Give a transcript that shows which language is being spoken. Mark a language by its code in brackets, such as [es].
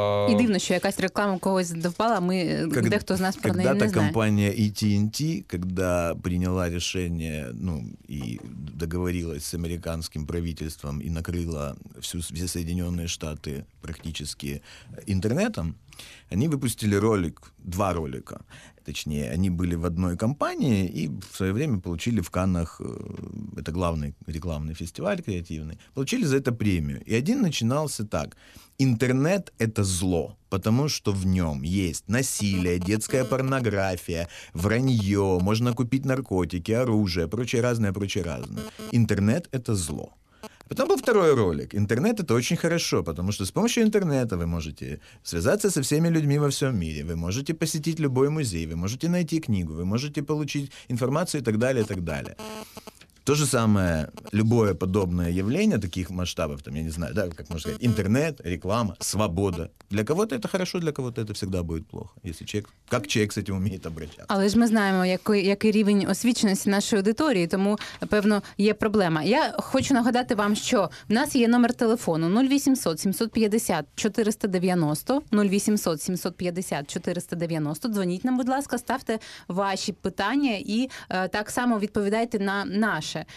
[uk] І дивно, що якась реклама когось довпала, ми дехто з нас про неї не знає. Коли-то компанія AT&T, коли прийняла рішення, ну, і договорилась з американським правительством і накрила всі Сполучені Штати практично інтернетом, вони випустили ролик, два ролика. [ru] Точнее, они были в одной компании и в свое время получили в Каннах, это главный рекламный фестиваль креативный, получили за это премию. И один начинался так. Интернет – это зло, потому что в нем есть насилие, детская порнография, вранье, можно купить наркотики, оружие, прочее разное. Интернет – это зло. Потом был второй ролик. Интернет – это очень хорошо, потому что с помощью интернета вы можете связаться со всеми людьми во всем мире, вы можете посетить любой музей, вы можете найти книгу, вы можете получить информацию и так далее, и так далее. То же самое, любое подобное явление таких масштабов, там, я не знаю, да, как можно сказать, интернет, реклама, свобода. Для кого-то это хорошо, для кого-то это всегда будет плохо, если человек, как человек с этим умеет обращаться. [uk] Але ж ми знаємо, який рівень освіченості нашої аудиторії, тому, певно, є проблема. Я хочу нагадати вам, що в нас є номер телефону 0800 750 490, 0800 750 490. Дзвоніть нам, будь ласка, ставте ваші питання і так само відповідайте на наш.